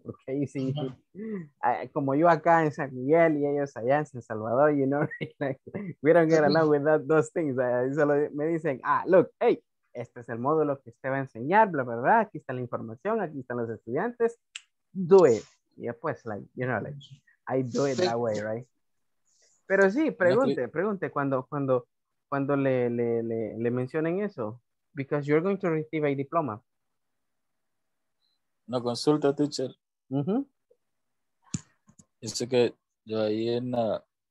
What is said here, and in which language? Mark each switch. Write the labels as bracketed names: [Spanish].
[Spanish] Porque ahí sí, como yo acá en San Miguel y ellos allá en San Salvador, [English] you know, right? Like, we don't get along with that, those things. [Spanish] Solo me dicen, [English] look, hey, [Spanish] este es el módulo que usted va a enseñar, bla, bla, bla. Aquí está la información, aquí están los estudiantes. [English] Do it. [Spanish] Y después, [English] like, you know, like, I do it that way, right? [Spanish] Pero sí, pregunte, pregunte cuando le mencionen eso. [English] Because you're going to receive a diploma. [Spanish] No consulta, teacher. Dice que yo ahí en la...